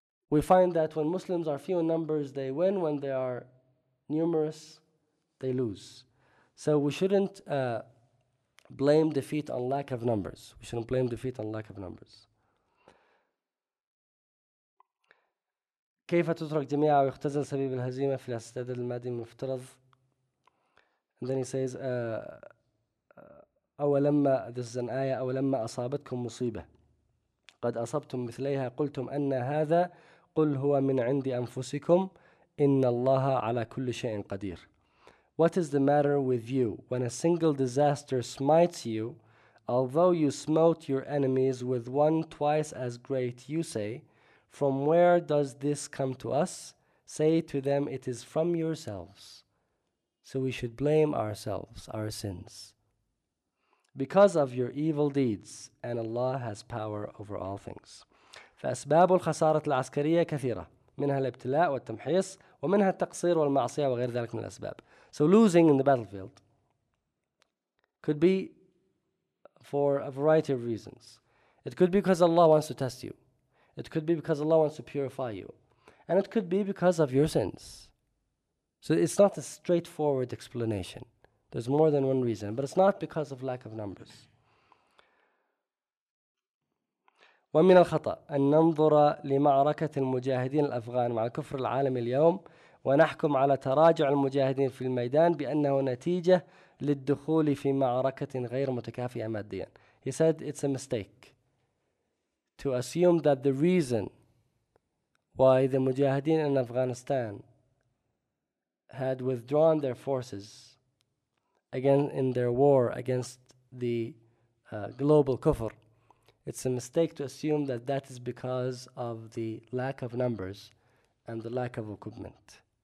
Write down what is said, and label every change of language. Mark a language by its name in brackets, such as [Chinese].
[English] We find that when Muslims are few in numbers, they win. When they are numerous, they lose. So we shouldn't blame defeat on lack of numbers. We shouldn't blame defeat on lack of numbers. [Arabic] كيف تترك جميع ويختزل سبيب الهزيمة في الاستعداد المادي المفترض؟ [English] And then he says, [Arabic] أولما, [English] this is an ayah, [Arabic] أولما أصابتكم مصيبة قد أصبتم مثليها قلتم أن هذا قل هو من عند أنفسكم إن الله على كل شيء قدير. [English] What is the matter with you when a single disaster smites you, although you smote your enemies with one twice as great, you say, from where does this come to us? Say to them, it is from yourselves. So we should blame ourselves, our sins, because of your evil deeds, and Allah has power over all things. [Arabic] فأسباب الخسارة العسكرية كثيرة. منها الابتلاء والتمحيص ومنها التقصير والمعصية وغير ذلك من الأسباب. [English] So losing in the battlefield could be for a variety of reasons. It could be because Allah wants to test you. It could be because Allah wants to purify you. And it could be because of your sins. So it's not a straightforward explanation. There's more than one reason, but it's not because of lack of numbers. [Arabic] ومن الخطأ أن ننظر لمعركة المجاهدين الأفغان مع الكفر العالمي اليوم ونحكم على تراجع المجاهدين في الميدان بأنه نتيجة للدخول في معركة غير متكافئة ماديا. [English] He said it's a mistake to assume that the reason why the mujahideen in Afghanistan had withdrawn their forces again in their war against the global kufr, it's a mistake to assume that that is because of the lack of numbers and the lack of equipment.